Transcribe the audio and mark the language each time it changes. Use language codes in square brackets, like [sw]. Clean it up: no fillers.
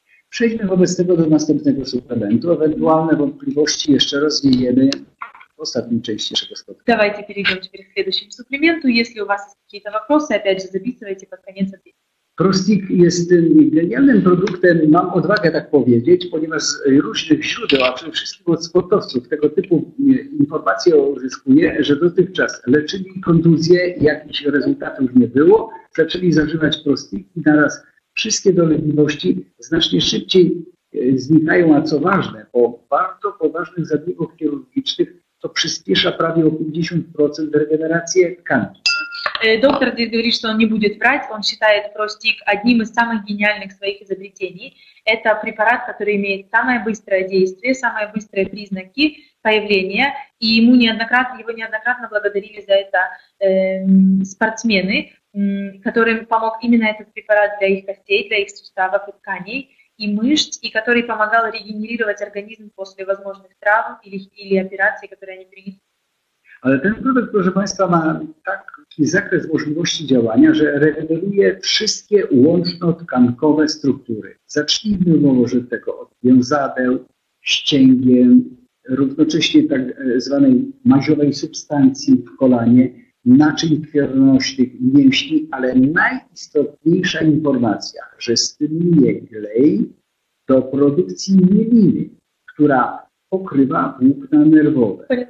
[pl] Przejdźmy wobec tego do następnego suplementu. Ewentualne wątpliwości jeszcze rozwijemy w ostatniej części naszego spotkania. [ru] Давайте перейдем теперь к следующему суплементу. Если у вас есть какие-то вопросы, опять же, записывайте под конец ответа. [pl] Prostik jest tym genialnym produktem, mam odwagę tak powiedzieć, ponieważ z różnych źródeł, a przede wszystkim od sportowców, tego typu informacje uzyskuję, że dotychczas leczyli kontuzje, jakichś rezultatów nie było, zaczęli zażywać prostik i naraz wszystkie dolegliwości znacznie szybciej znikają, a co ważne, po bardzo poważnych zabiegach chirurgicznych to przyspiesza prawie o 50% regenerację tkanki. [ru] Доктор здесь говорит, что он не будет врать, он считает Простик одним из самых гениальных своих изобретений. Это препарат, который имеет самое быстрое действие, самые быстрые признаки появления, и его неоднократно благодарили за это спортсмены, которым помог именно этот препарат для их костей, для их суставов и тканей, и мышц, и который помогал регенерировать организм после возможных травм или операций, которые они принесли. [pl] Ale ten produkt, proszę Państwa, ma taki zakres możliwości działania, że regeneruje wszystkie łączno-tkankowe struktury. Zacznijmy nowożytnego od wiązadeł, ścięgien, równocześnie tak zwanej maziowej substancji w kolanie, naczyń krwionośnych, mięśni, ale najistotniejsza informacja, że stymuluje glej do produkcji mieliny, która pokrywa włókna nerwowe.